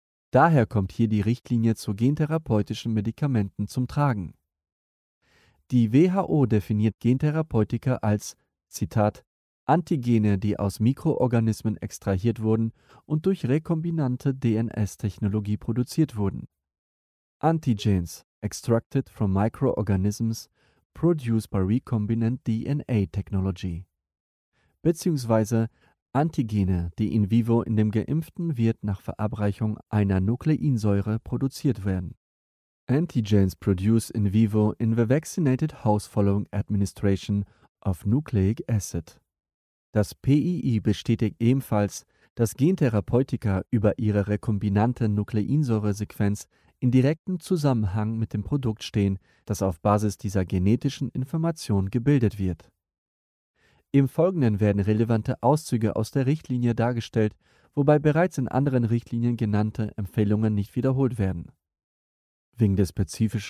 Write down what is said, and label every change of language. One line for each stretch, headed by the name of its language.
German: Daher kommt hier die Richtlinie zu gentherapeutischen Medikamenten zum Tragen. Die WHO definiert Gentherapeutika als, Zitat, Antigene, die aus Mikroorganismen extrahiert wurden und durch rekombinante DNS-Technologie produziert wurden.
English: Antigens, extracted from microorganisms, produced by recombinant DNA technology.
German: Beziehungsweise Antigene, die in vivo in dem geimpften Wirt nach Verabreichung einer Nukleinsäure produziert werden.
English: Antigens produced in vivo in the vaccinated host following administration of nucleic acid.
German: Das PII bestätigt ebenfalls, dass Gentherapeutika über ihre rekombinante Nukleinsäuresequenz in direktem Zusammenhang mit dem Produkt stehen, das auf Basis dieser genetischen Information gebildet wird. Im Folgenden werden relevante Auszüge aus der Richtlinie dargestellt, wobei bereits in anderen Richtlinien genannte Empfehlungen nicht wiederholt werden. Wegen der spezifischen